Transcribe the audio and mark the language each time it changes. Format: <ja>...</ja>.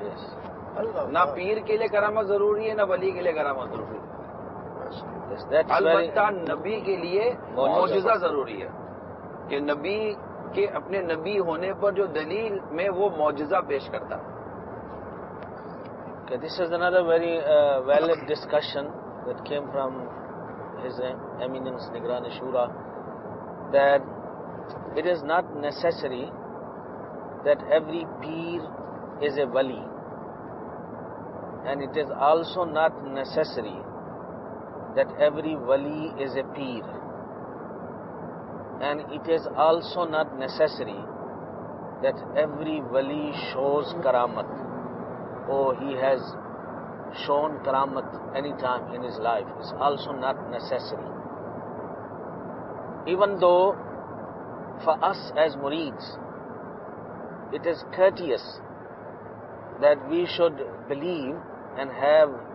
<en>Yes.</en> <ur>نہ پیر کے لیے کرامت ضروری ہے, نہ ولی کے لیے کرامت ضروری ہے.</ur> <en>Yes, that's</en> <ur>البتہ نبی کے لیے معجزہ ضروری ہے, کہ نبی کے اپنے نبی ہونے پر جو دلیل میں وہ معجزہ پیش کرتا.</ur> <en>This is under very valid discussion that came from his eminence نگران شورا that it is not necessary that every pir is a wali, and it is also not necessary that every wali is a pir. And it is also not necessary that every wali shows karamat. Oh, he has shown karamat any time in his life. It's also not necessary. Even though for us as murids, it is courteous that we should believe and have</en>